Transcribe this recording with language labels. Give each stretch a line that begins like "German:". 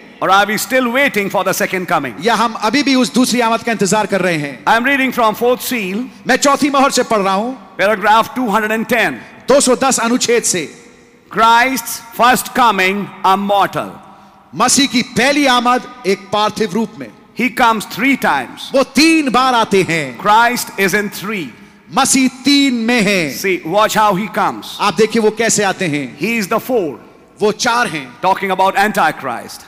English: Or are we still waiting for the second coming?
Hindi: या हम अभी भी उस दूसरी आमद का इंतजार कर रहे हैं?
English: I am reading from fourth seal.
Hindi: मैं चौथी मोहर से पढ़ रहा हूं.
English: Paragraph 210.
Hindi: 210 अनुच्छेद से.
English: Christ's first coming, a mortal.
Hindi: मसीह की पहली आमद एक पार्थिव रूप में.
English: He comes three times.
Hindi: वो तीन बार आते हैं.
English: Christ is in three.
Hindi: मसीह तीन में है.
English: See, watch how he comes.
Hindi: आप देखिए वो कैसे आते हैं.
English: He is the four.
Hindi: वो चार हैं.
English: Talking about Antichrist.